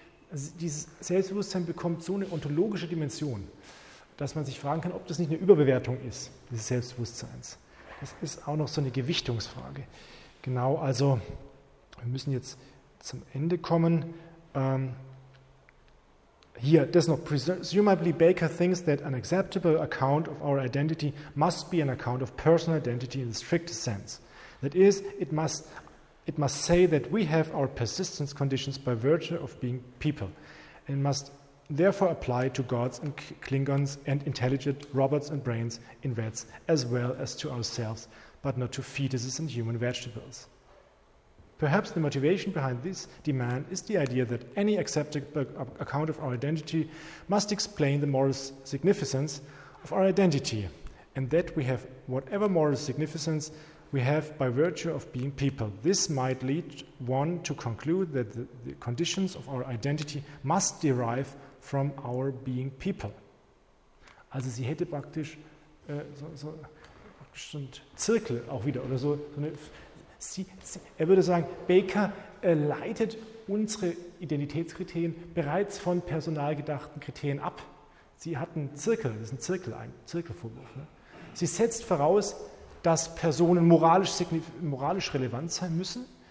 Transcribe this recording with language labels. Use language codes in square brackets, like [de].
[de] Also dieses Selbstbewusstsein bekommt so eine ontologische Dimension, dass man sich fragen kann, ob das nicht eine Überbewertung ist, dieses Selbstbewusstseins. Das ist auch noch so eine Gewichtungsfrage. Genau, also wir müssen jetzt zum Ende kommen. [en] Here, there's no presumably Baker thinks that an acceptable account of our identity must be an account of personal identity in the strictest sense. That is, it must say that we have our persistence conditions by virtue of being people, and must therefore apply to gods and Klingons and intelligent robots and brains in rats as well as to ourselves, but not to fetuses and human vegetables. Perhaps the motivation behind this demand is the idea that any acceptable account of our identity must explain the moral significance of our identity, and that we have whatever moral significance we have by virtue of being people. This might lead one to conclude that the conditions of our identity must derive from our being people. [de] Also sie hätte praktisch so ein Zirkel auch wieder, oder so eine... Er würde sagen, Baker leitet unsere Identitätskriterien bereits von personal gedachten Kriterien ab. Sie hat einen Zirkel, das ist ein Zirkel, ein Zirkelvorwurf. Ne? Sie setzt voraus, dass Personen moralisch relevant sein müssen.